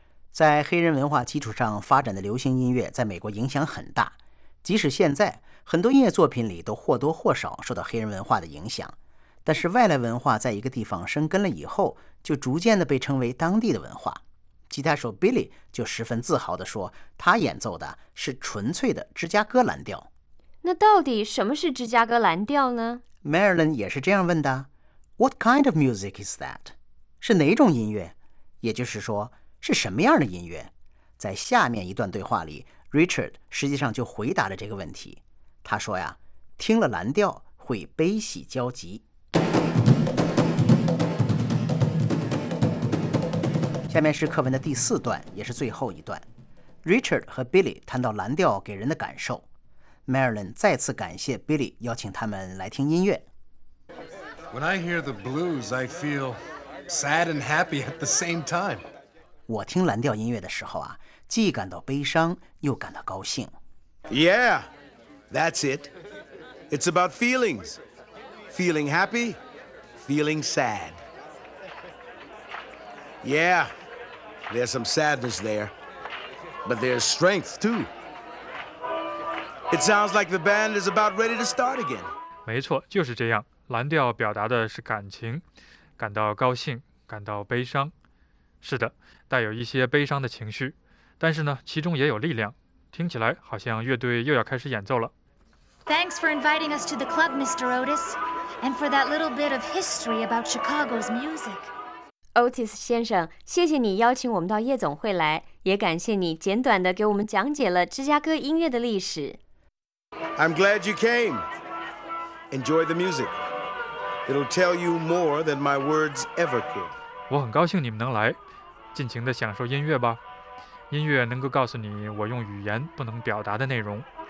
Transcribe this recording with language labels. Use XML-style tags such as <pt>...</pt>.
<zh>在黑人文化基础上发展的流行音乐在美国影响很大，即使现在很多音乐作品里都或多或少受到黑人文化的影响，但是外来文化在一个地方生根了以后就逐渐的被称为当地的文化。吉他手 Billy 就十分自豪地说，他演奏的是纯粹的芝加哥蓝调。那到底什么是芝加哥蓝调呢？</zh> <en>Marilyn</en> <zh>也是这样问的，</zh> <en>What kind of music is that?</en> <zh>是哪种音乐？也就是说是什么样的音乐？在下面一段对话里， Richard 实际上就回答了这个问题。他说呀，听了蓝调会悲喜交集。下面是课文的第四段，也是最后一段。Richard 和 Billy 谈到蓝调给人的感受， Marilyn 再次感谢 Billy 邀请他们来听音乐。</zh> <en>When I hear the blues, I feel sad and happy at the same time.</en> <zh>我听蓝调音乐的时候啊，既感到悲伤又感到高兴。</zh> <en>Yeah, that's it. It's about feelings. Feeling happy, feeling sad. Yeah. There's some sadness there, but there's strength too. It sounds like the band is about ready to start again.</en> <zh>没错，就是这样。蓝调表达的是感情，感到高兴，感到悲伤。是的，带有一些悲伤的情绪，但是呢，其中也有力量。听起来好像乐队又要开始演奏了。</zh> <en>Thanks for inviting us to the club, Mr. Otis, and for that little bit of history about Chicago's music.</en> <zh>Otis 先生，谢谢你邀请我们到夜总会来，也感谢你简短地给我们讲解了芝加哥音乐的历史。</zh> <en>I'm glad you came. Enjoy the music. It'll tell you more than my words ever could.</en> <zh>我很高兴你们能来，尽情地享受音乐吧。音乐能够告诉你我用语言不能表达的内容。</zh>